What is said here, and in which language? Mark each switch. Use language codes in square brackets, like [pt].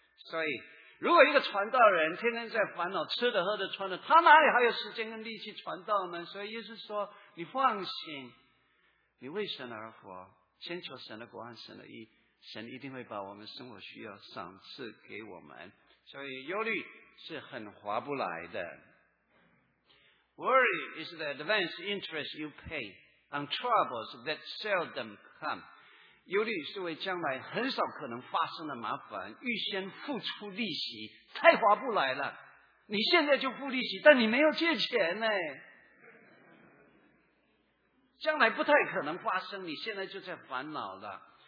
[zh] 所以如果一个传道人天天在烦恼吃的喝的穿的，他哪里还有时间跟力气传道呢？所以耶稣说你放心，你为神而活，先求神的国和神的义，神一定会把我们生活需要赏赐给我们。所以忧虑是很划不来的。 [en] Worry is the advanced interest you pay on troubles that seldom come。 [zh] 忧虑是为将来很少可能发生的麻烦预先付出利息，太划不来了。你现在就付利息，但你没有借钱呢，将来不太可能发生，你现在就在烦恼了。